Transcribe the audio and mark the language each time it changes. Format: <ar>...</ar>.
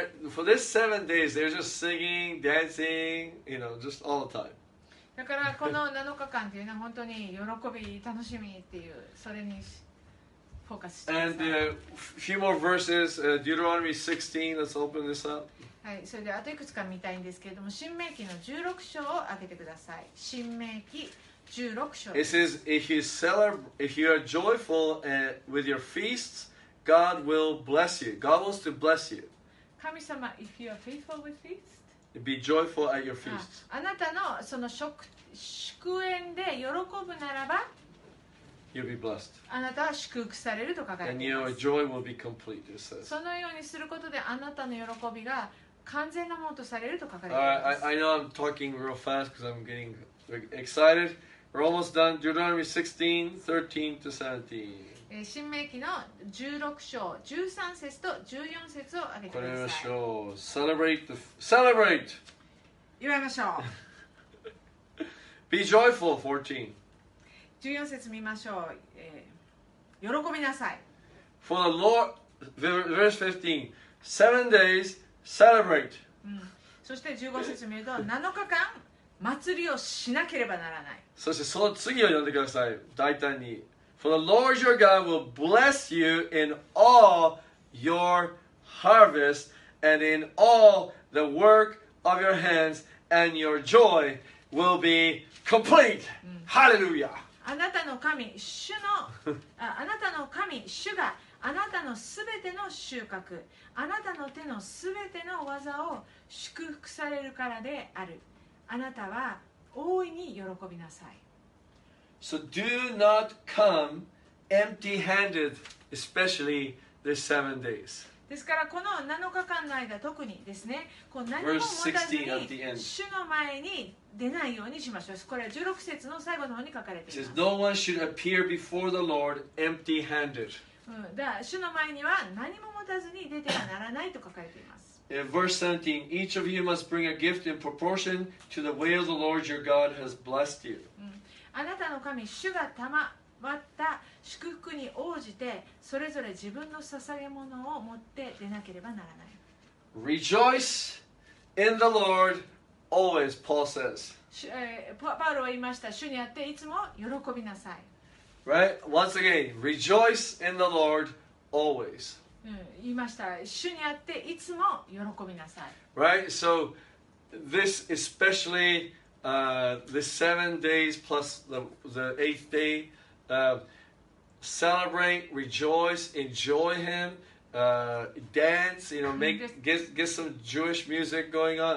<en>For this 7 days, they're just singing, dancing, you know, just all the time.</en> <ja>だからこの7日間というのは本当に喜び、楽しみっていう、それにフォーカスしてください。</ja> <en>And a few more verses, Deuteronomy 16, let's open this up.</en> <ja>はい、それであといくつか見たいんですけれども、申命記の16章を開けてください。申命記16章です。</ja> <en>It says, if you are joyful with your feasts, God will bless you. God wants to bless you. 神様、if you are faithful with feasts? Be joyful at your feast.</en> <ja>あなたのその祝宴で喜ぶならば、</ja> <en>You'll be blessed.</en> <ja>あなたは祝福されると書かれています。</ja> <en>And your joy will be complete, it says.</en> <ja>そのようにすることで、あなたの喜びが完全なものとされると書かれています。</ja> <en>I know I'm talking real fast because I'm getting excited. We're almost done. Deuteronomy 16, 13 to 17.</en> <ja>新明記の16章13節と14節を挙げてください。これましょう。Celebrate! 祝いましょう。</ja> <en>Be joyful, 14.</en> <ja>14節見ましょう。喜びなさい。</ja> <en>For the Lord, verse 15, 7 days, celebrate.、</en> <ja>うん、そして15節見ると、7日間祭りをしなければならない。そしてその次を読んでください。大胆に。</ja> <en>For the Lord your God will bless you in all your harvest and in all the work of your hands and your joy will be complete. Hallelujah!</en> <ja>あなたの神、主の、あなたの神、主があなたのすべての収穫、あなたの手のすべての技を祝福されるからである。あなたは大いに喜びなさい。</ja> <en>So do not come empty-handed, especially the seven days.</en> <ja>ですからこの7日間の間特にですね、こう何も持たずに主の前に出ないようにしましょう。これは16節の最後の方に書かれています。</ja> <en>It says, no one should appear before the Lord empty-handed.</en> <ja>だから主の前には何も持たずに出てはならないと書かれています。</ja> <en>In verse 17, each of you must bring a gift in proportion to the way of the Lord your God has blessed you.</en> <ja>あなたの神主が賜った祝福に応じてそれぞれ自分の捧げ物を持って出なければならない。</ja> <en>Rejoice in the Lord always, Paul says.</en> <ja>パウロは言いました。主にあっていつも喜びなさい。</ja> <en>Right? Once again, rejoice in the Lord always.、</en> <ja>うん、言いました。主にあっていつも喜びなさい。</ja> <en>Right? So this especially. The seven days plus the eighth day, celebrate, rejoice, enjoy Him, dance, you know, make get some Jewish music going on.</en>